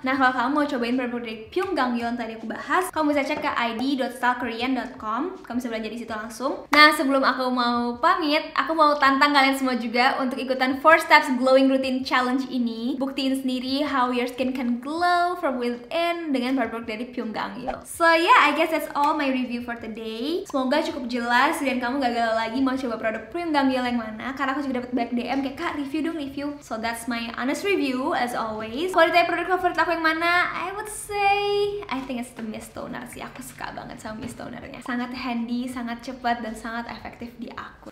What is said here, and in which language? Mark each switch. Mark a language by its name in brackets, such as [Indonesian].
[Indonesian] Nah kalau kamu mau cobain produk Yungamil yang tadi aku bahas, kamu bisa cek ke id.stylekorean.com, kamu bisa belanja di situ langsung. Nah sebelum aku mau pamit, aku mau tantang kalian semua juga untuk ikutan 4 Steps Glowing Routine Challenge ini. Buktiin sendiri [English] how your skin can glow from within [Indonesian] dengan produk dari Yungamil. [English] So yeah, I guess that's all my review for today. [Indonesian] Semoga cukup jelas dan kamu gak galau lagi mau coba produk Yungamil yang mana, karena aku juga dapat banyak DM kayak, kak review dong, review. [English] So that's my honest review as always. [Indonesian] Kalau ditanya produk favorit aku yang mana, [English] I would say I think it's the Mist Toner sih. [Indonesian] Aku suka banget sama Mist Toner-nya. Sangat handy, sangat cepat, dan sangat efektif di aku.